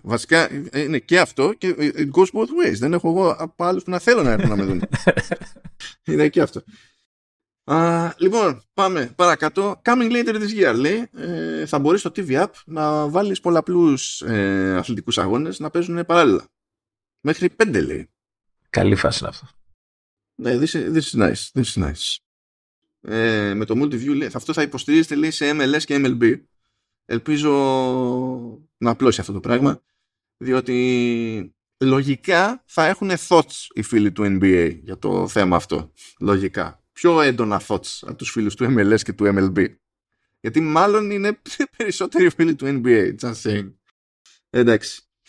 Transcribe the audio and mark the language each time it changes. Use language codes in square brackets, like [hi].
[el] Βασικά είναι και αυτό και [en] it goes both ways. [el] Δεν έχω εγώ από άλλους που να θέλω να έρθουν να με δουν. Είναι και αυτό. Λοιπόν, πάμε παρακάτω. [en] Coming later this year, [el] λέει, θα μπορείς στο TV app να βάλεις πολλαπλούς αθλητικούς αγώνες να παίζουν παράλληλα. Μέχρι 5, λέει. Καλή φάση είναι αυτό. [en] Ναι, this is nice. [el] Με το multiview, λέει, αυτό θα υποστηρίζεται, λέει, σε MLS και MLB. Ελπίζω να απλώσει αυτό το πράγμα, διότι λογικά θα έχουν thoughts οι φίλοι του NBA για το θέμα αυτό. Λογικά. Πιο έντονα thoughts από τους φίλους του MLS και του MLB. Γιατί μάλλον είναι περισσότεροι φίλοι του NBA, [en] just saying. [el] Εντάξει.